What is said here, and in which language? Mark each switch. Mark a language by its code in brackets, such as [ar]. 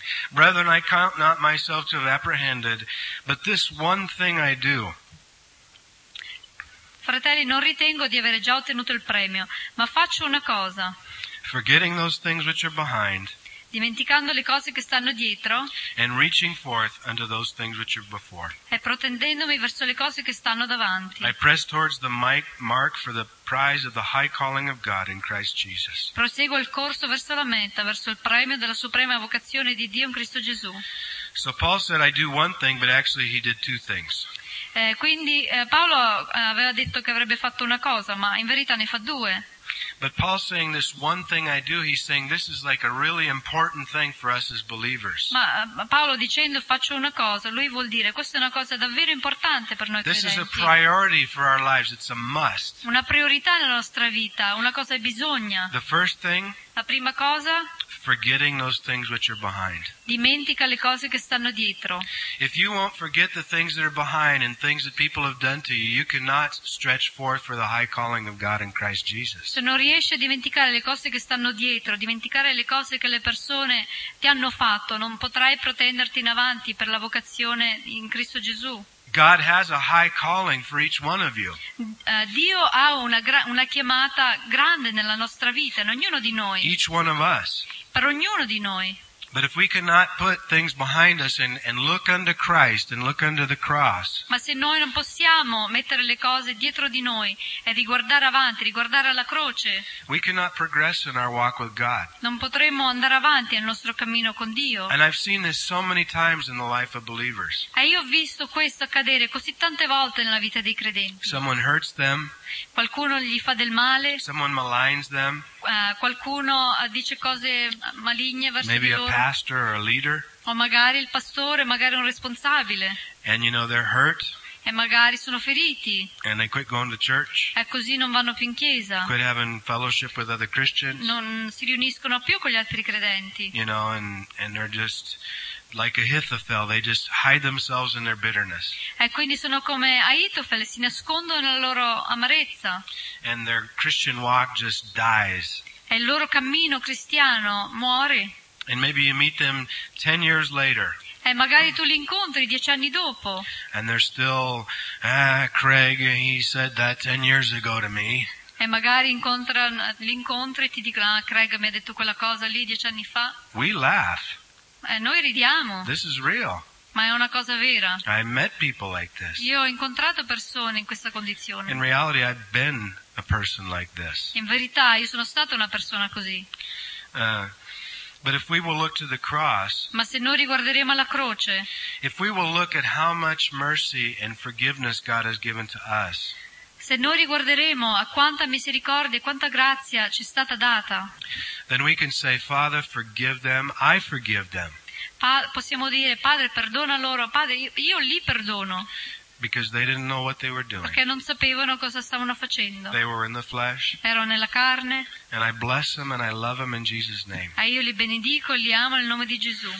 [en] Brethren, I count not myself to have apprehended, but this one thing I do. [it] Fratelli, non ritengo di avere già ottenuto il premio, ma faccio una cosa. [en] Forgetting those things which are behind. [it] Dimenticando le cose che stanno dietro. [en] And reaching forth unto those things which are before. [it] E protendendomi verso le cose che stanno davanti. [en] I press towards the mark for the prize of the high calling of God in Christ Jesus. [it] Proseguo il corso verso la meta, verso il premio della suprema vocazione di Dio in Cristo Gesù. [en] So Paul said, I do one thing, but actually he did two things. [it] Quindi Paolo aveva detto che avrebbe fatto una cosa, ma in verità ne fa due. [en] But Paul saying this one thing I do, he's saying this is like a really important thing for us as believers. [it] Ma Paolo dicendo faccio una cosa, lui vuol dire questa è una cosa davvero importante per noi [en] this [it] credenti. [en] This is a priority for our lives, it's a must. [it] Una priorità nella nostra vita, una cosa è bisogna. [en] The first thing? [it] La prima cosa? [en] Forgetting those things which are behind. [it] Dimentica le cose che stanno dietro. [en] If you won't forget the things that are behind and things that people have done to you, you cannot stretch forth for the high calling of God in Christ Jesus. [it] Se non riesci a dimenticare le cose che stanno dietro, dimenticare le cose che le persone ti hanno fatto, non potrai protenderti in avanti per la vocazione in Cristo Gesù. [en] God has a high calling for each one of you. [it] Dio ha una chiamata grande nella nostra vita, in ognuno di noi. [en] Each one of us. [it] Per ognuno di noi. [en] But if we cannot put things behind us and look unto Christ and look unto the cross. [it] Ma se noi non possiamo mettere le cose dietro di noi e riguardare avanti, riguardare alla croce. [en] We cannot progress in our walk with God. [it] Non potremo andare avanti nel nostro cammino con Dio. [en] And I've seen this so many times in the life of believers. [it] E io ho visto questo accadere così tante volte nella vita dei credenti. [en] Someone hurts them. [it] Qualcuno gli fa del male. [en] Someone maligns them. [it] Qualcuno dice cose maligne verso [en] maybe [it] di loro. [en] A pastor or a leader. [it] O magari il pastore, magari un responsabile. [en] And you know they're hurt. [it] E magari sono feriti. [en] And they quit going to church. [it] E così non vanno più in chiesa. [en] Quit having fellowship with other Christians. [it] Non si riuniscono più con gli altri credenti. [en] You know, and they're just like Ahithophel, they just hide themselves in their bitterness. [it] E quindi sono come Ahithophel, si nascondono nella loro amarezza. [en] And their Christian walk just dies. [it] E il loro cammino cristiano muore. [en] And maybe you meet them 10 years later. [it] E magari tu li incontri 10 anni dopo. [en] And they're still, Craig, he said that 10 years ago to me. [it] E magari li incontri e ti dicono, Craig mi ha detto quella cosa lì 10 anni fa. [en] We laugh. [it] Noi ridiamo. [en] This is real. [it] Ma è una cosa vera. [en] I met people like this. [it] Io ho incontrato persone in questa condizione. [en] In reality, I've been a person like this. [it] In verità, io sono stata una persona così. [en] But if we will look to the cross, [it] ma se noi riguarderemo la croce, [en] if we will look at how much mercy and forgiveness God has given to us, [it] se noi riguarderemo a quanta misericordia e quanta grazia ci è stata data, [en] then we can say, Father, forgive them. I forgive them. [it] Possiamo dire, Padre, perdona loro. Padre, io li perdono. [en] Because they didn't know what they were doing. [it] Perché non sapevano cosa stavano facendo. [en] They were in the flesh. [it] Ero nella carne. [en] And I bless them and I love them in Jesus' name. [it] E io li benedico e li amo nel nome di Gesù.